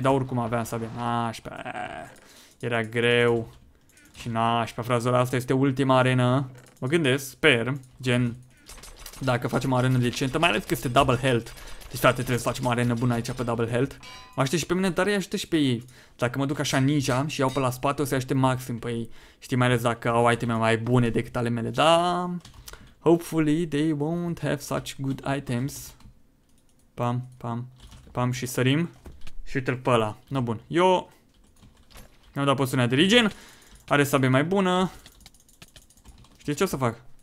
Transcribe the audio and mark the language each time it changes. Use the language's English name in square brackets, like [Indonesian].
[Romanian] Dar oricum aveam să avem nașpea, era greu și nașpea, frazul, asta este ultima arenă, mă gândesc, sper, gen, dacă facem o arenă decentă, mai ales că este double health. Deci, frate, trebuie să facem o arenă bună aici pe double health. Mă aștept și pe mine, dar îi ajută și pe ei. Dacă mă duc așa ninja și iau pe la spate, o să-i aștept maxim pe ei. Știi, mai ales dacă au iteme mai bune decât ale mele. [English] Da, hopefully they won't have such good items. [Romanian] Pam, pam, pam și sărim. Și uite-l pe ăla. No, bun. Eu mi-am dat poțiunea de regen. Are sabie mai bună. Știi ce o să fac?